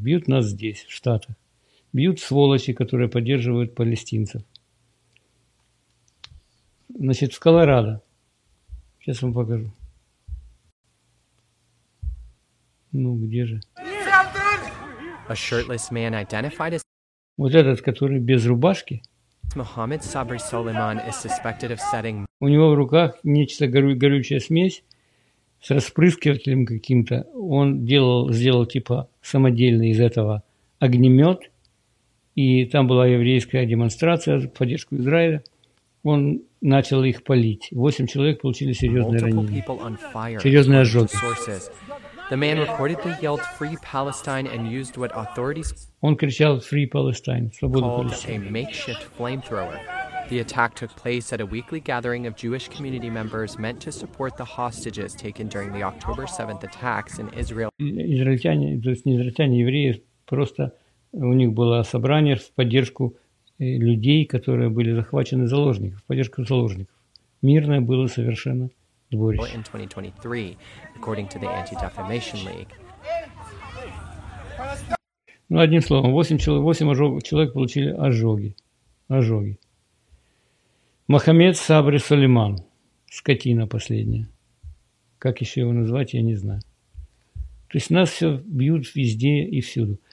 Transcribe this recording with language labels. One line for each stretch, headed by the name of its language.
Russian: Бьют нас здесь, в Штатах. Бьют сволочи, которые поддерживают палестинцев. Значит, в Колорадо. Сейчас вам покажу. Ну, где же?
English: A shirtless man identified as...
Russian: Вот этот, который без рубашки.
English: Мухаммед Сабри Сулейман is suspected of setting...
Russian: У него в руках нечто горючая смесь с распрыскивателем каким-то. Он сделал типа самодельный из этого огнемет. И там была еврейская демонстрация в поддержку Израиля. Он начал их палить. 8 человек получили серьезные ранения. Серьезные ожоги.
English: The man reportedly yelled "Free Palestine" and used what authorities
Russian: Он кричал "Free Palestine", свободу Палестине.
English: A makeshift flamethrower. The attack took place at a weekly gathering of Jewish community members meant to support the hostages taken during the October 7th attacks in Israel.
Russian: Израильтяне, то есть не израильтяне, евреи, просто у них было собрание в поддержку людей, которые были захвачены заложников, в поддержку заложников. Мирное было совершено. Дворище.
English: In 2023, according to the Anti-Defamation League.
Russian: Ну, одним словом, 8 человек получили ожоги. Ожоги. Мохаммед Сабри Сулейман. Скотина последняя. Как еще его назвать, я не знаю. То есть нас все бьют везде и всюду.